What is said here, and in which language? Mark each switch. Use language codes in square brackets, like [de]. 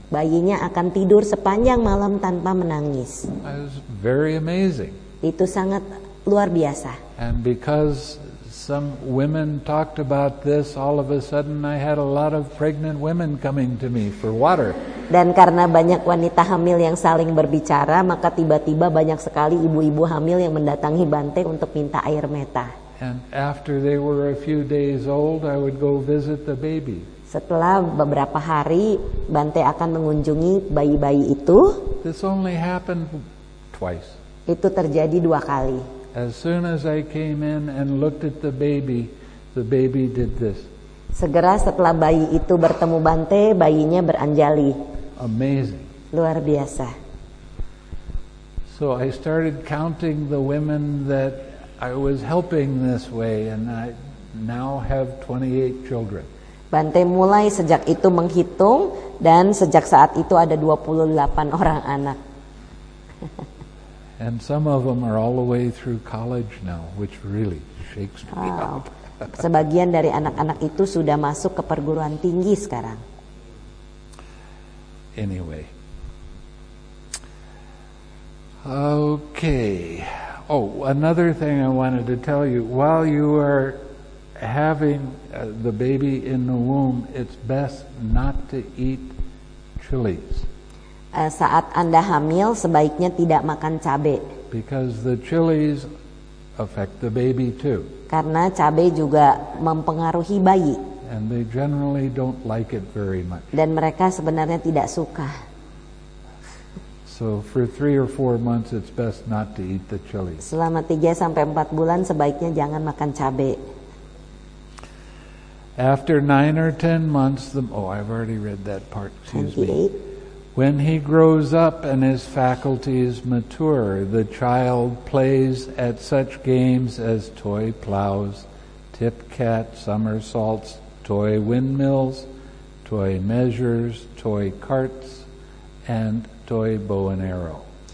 [id] Bayinya akan tidur sepanjang malam tanpa menangis. [en] That was very amazing. [id] Itu sangat luar biasa. [en] And because some women talked about this, all of a sudden I had a lot of pregnant women coming to me for water. [id] Dan karena banyak wanita hamil yang saling berbicara, maka tiba-tiba banyak sekali ibu-ibu hamil yang mendatangi Bante untuk minta air meta. [en] And after they were a few days old, I would go visit the baby. [id] Setelah beberapa hari, Bante akan mengunjungi bayi-bayi itu. [en] This only happened twice. [id] Itu terjadi dua kali. [en] As soon as I came in and looked at the baby did this. [id] Segera setelah bayi itu bertemu Bante, bayinya beranjali. [en] Amazing. [id] Luar biasa. [en] So I started counting the women that I was helping this way, and I now have 28 children. [id] Bante mulai sejak itu menghitung, dan sejak saat itu ada 28 orang anak. [en] And some of them are all the way through college now, which really shakes me up. [id] Sebagian dari anak-anak itu sudah masuk ke perguruan tinggi sekarang. [en] Anyway. Okay. Oh, another thing I wanted to tell you. While you are having the baby in the womb, it's best not to eat chilies. [id] Saat Anda hamil, sebaiknya tidak makan cabai. [en] Because the chilies affect the baby too. [id] Karena cabai juga mempengaruhi bayi. [en] And they generally don't like it very much. [id] Dan mereka sebenarnya tidak suka. [en] So for 3 or 4 months, it's best not to eat the chili. [id] Selama 3-4 bulan sebaiknya jangan makan cabai. [en] After 9 or 10 months, I've already read that part. Excuse me. When he grows up and his faculties mature, the child plays at such games as toy plows, tip cat, somersaults, toy windmills, toy measures, toy carts, and toy bow and arrow.